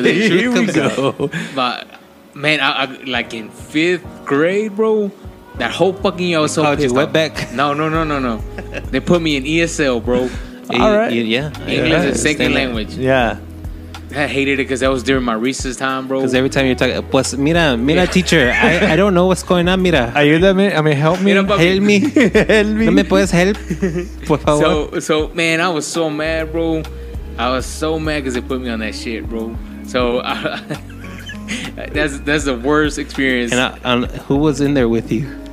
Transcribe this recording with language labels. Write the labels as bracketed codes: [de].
[en] The truth here we comes go. But, man, I like in fifth grade, bro, that whole fucking year I was so pissed off. Wetback? No. They put me in ESL, bro. All right. English is second language. Yeah. I hated it because that was during my recess time, bro. Because every time you're talking, [es] pues, mira, [en] teacher, I don't know what's going on, [es] mira. Ayúdame, [en] I mean, help me. Help me. [es] No me puedes [en] help, [es] por favor. [en] So, man, I was so mad, bro. I was so mad because they put me on that shit, bro. So, that's the worst experience. And who was in there with you?